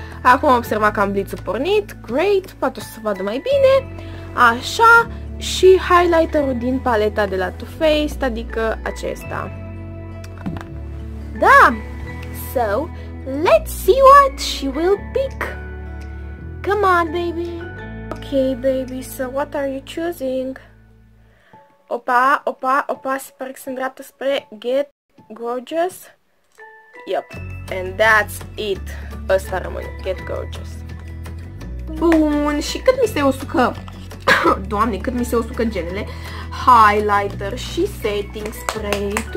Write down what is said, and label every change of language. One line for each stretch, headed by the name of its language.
Romanian: Acum am observat că am blitzul pornit, great, poate o să vadă mai bine, așa, și highlighterul din paleta de la Too Faced, adică acesta.
English: Da, so, let's see what she will pick. Come on, baby. Okay, baby, so what are you choosing?
Romanian: Opa, se pare că se îndreaptă spre Get Gorgeous.
English: Yep, and that's it.
Romanian: Ăsta rămâne,
English: Get Gorgeous.
Romanian: Bun, și cât mi se usucă... Doamne, cât mi se usucă genele. Highlighter și setting spray.